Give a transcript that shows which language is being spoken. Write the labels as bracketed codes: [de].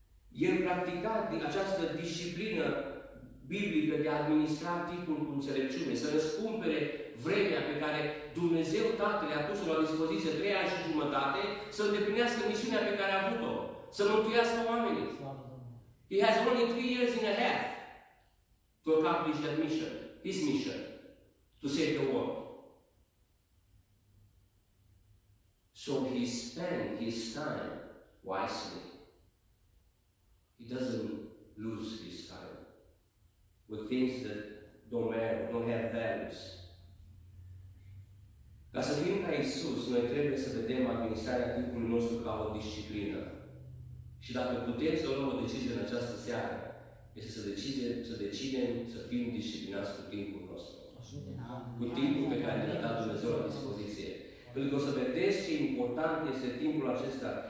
[ro] El practica această disciplină biblică de a administra timpul cu înțelepciune, să răscumpere vremea pe care Dumnezeu Tatăl a pus-o la dispoziție 3 ani și jumătate, să îndeplinească misiunea pe care a avut-o, să mântuiască oamenii. [en] He has only 3 years and a half to accomplish that mission, his mission, to save the world. So he spent his time wisely. He doesn't lose his time with things that don't matter, don't have values. [ro] Ca să fim ca Iisus, noi trebuie să vedem administrarea timpului nostru ca o disciplină. Și dacă putem să luăm o decizie în această seară, este să decidem să fim disciplinați cu timpul nostru. Cu timpul pe care ne-a dat Dumnezeu la dispoziție. Pentru că o să vedeți ce important este timpul acesta.